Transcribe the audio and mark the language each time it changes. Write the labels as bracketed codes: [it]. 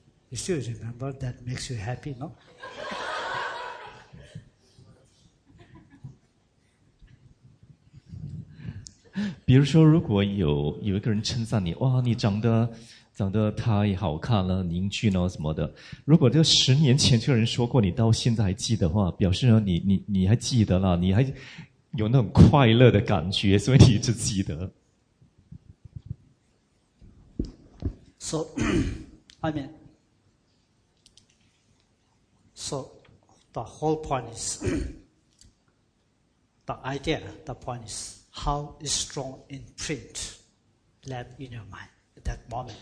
[en] You still remember that makes you happy, no? For example, if someone praises you, wow, you look good. [zh] 长得太好看了，英俊哦什么的。如果这十年前这个人说过，你到现在还记得的话，表示你还记得了，你还有那种快乐的感觉，所以你一直记得。 [en] So, I mean, so the whole point is the idea, the point is how is strong imprint left in your mind. That moment.